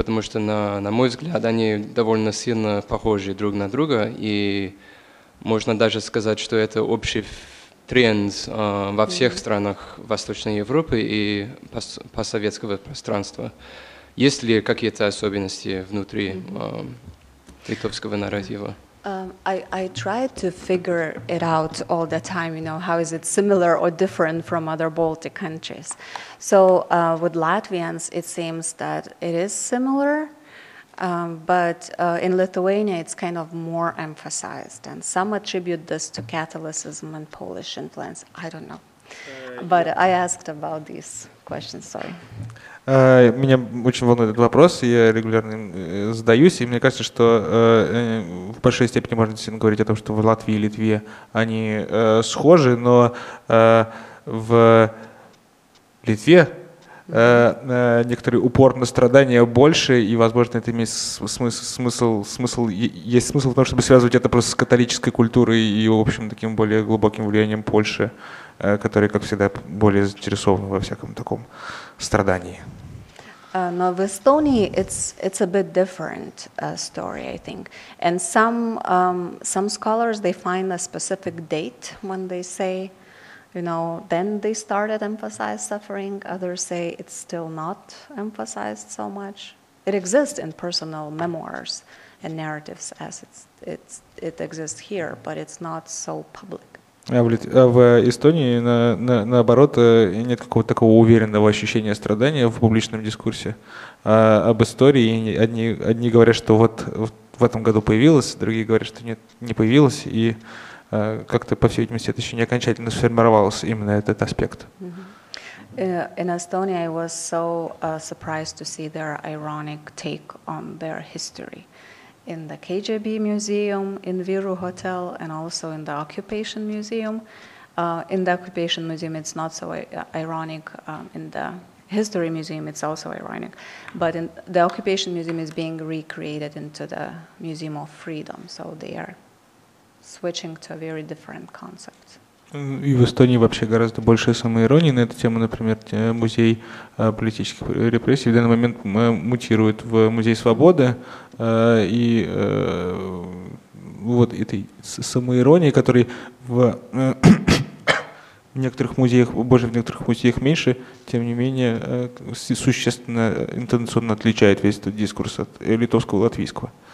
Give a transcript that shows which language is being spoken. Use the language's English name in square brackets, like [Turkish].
[Russian] Потому что, на мой взгляд, они довольно сильно похожи друг на друга, и можно даже сказать, что это общий тренд во всех странах Восточной Европы и постсоветского пространства. Есть ли какие-то особенности внутри литовского нарратива? [English] I try to figure it out all the time, you know, how is it similar or different from other Baltic countries. So with Latvians it seems that it is similar. But in Lithuania, it's kind of more emphasized, and some attribute this to Catholicism and Polish influence. I don't know, but I asked about these questions. Sorry. [Russian] Меня очень волнует этот вопрос, я регулярно задаюсь, и мне кажется, что в большой степени можно действительно говорить о том, что в Латвии и Литве они схожи, но в Литве некоторый упор на страдания больше, и, возможно, это имеет смысл в том, чтобы связывать это просто с католической культурой и, в общем, таким более глубоким влиянием Польши, которая, как всегда, более заинтересована во всяком таком страдании. Но в Эстонии [English] it's a bit different story, I think. And some scholars, they find a specific date when they say, you know, then they started emphasize suffering. Others say it's still not emphasized so much. It exists in personal memoirs and narratives as it exists here, but it's not so public. [Russian] В Эстонии наоборот нет какого-то такого уверенного ощущения страдания в публичном дискурсе об истории. Одни говорят, что вот в этом году появилось, другие говорят, что нет, не появилось, и как-то, по всей видимости, это еще не окончательно сформировалось, именно этот аспект. [English] In Estonia, I was so surprised to see their ironic take on their history. In the KGB museum, in Viru hotel, and also in the occupation museum. In the occupation museum, it's not so ironic. In the history museum, it's also ironic. But in the occupation museum is being recreated into the Museum of Freedom, so they are switching to a very different concept. [Russian] И в Эстонии вообще гораздо больше самоиронии на эту тему. Например, музей политических репрессий в данный момент мутирует в музей свободы. И вот этой самоиронии, которой в некоторых музеях, больше в некоторых музеях меньше, тем не менее, существенно интенсивно отличает весь этот дискурс от литовского и латвийского.